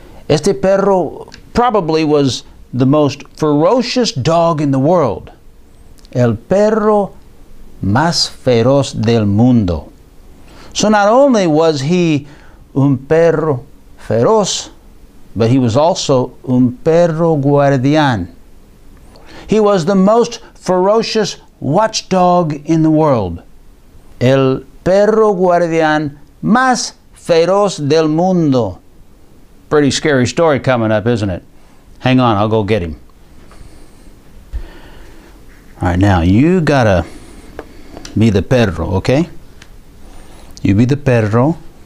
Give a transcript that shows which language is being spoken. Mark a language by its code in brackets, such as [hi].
[es] Este perro [en] probably was the most ferocious dog in the world. [es] El perro más feroz del mundo. [en] So not only was he [es] un perro feroz, [en] but he was also [es] un perro guardián. [en] He was the most ferocious watchdog in the world. [es] El perro guardián más feroz del mundo. [en] Pretty scary story coming up, isn't it? Hang on, I'll go get him. All right, now you gotta be the perro, okay? You be the perro.